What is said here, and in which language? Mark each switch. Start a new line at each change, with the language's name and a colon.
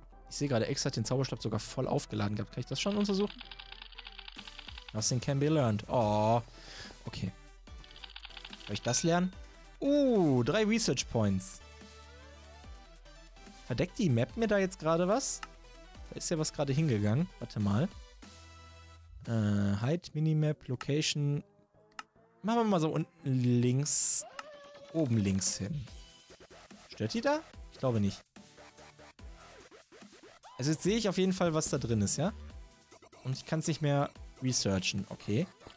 German: Ich sehe gerade, Exe hat den Zauberstab sogar voll aufgeladen gehabt. Kann ich das schon untersuchen?
English: Nothing can be learned. Oh. Okay.
German: Soll ich das lernen?
English: 3 Research Points.
German: Verdeckt die Map mir da jetzt gerade was? Da ist ja was gerade hingegangen. Warte mal.
English: Height, Minimap, Location.
German: Machen wir mal so unten links. Oben links hin. Stört die da? Ich glaube nicht. Also jetzt sehe ich auf jeden Fall, was da drin ist, ja? Und ich kann es nicht mehr
English: researchen,
German: okay.